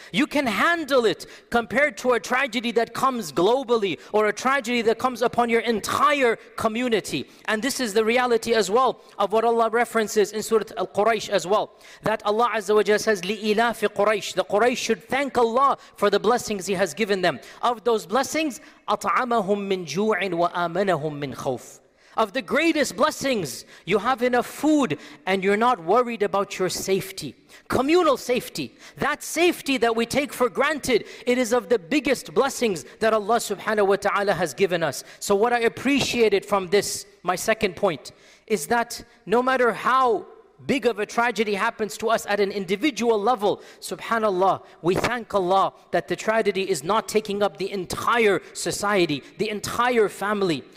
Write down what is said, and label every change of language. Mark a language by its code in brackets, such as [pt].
[en] You can handle it compared to a tragedy that comes globally or a tragedy that comes upon your entire community. And this is the reality as well of what Allah references in Surah Al-Quraysh as well. That Allah Azza wa Jalla says, [ar] لِإِلَافِ قُرَيْشِ. [en] The Quraysh should thank Allah for the blessings He has given them. Of those blessings, [ar] أَطْعَمَهُم مِّن جُوعٍ وَآمَنَهُم مِّن خَوْفٍ. [en] Of the greatest blessings, you have enough food and you're not worried about your safety. Communal safety, that safety that we take for granted, it is of the biggest blessings that Allah subhanahu wa ta'ala has given us. So what I appreciated from this, my second point, is that no matter how big of a tragedy happens to us at an individual level, subhanallah, we thank Allah that the tragedy is not taking up the entire society, the entire family.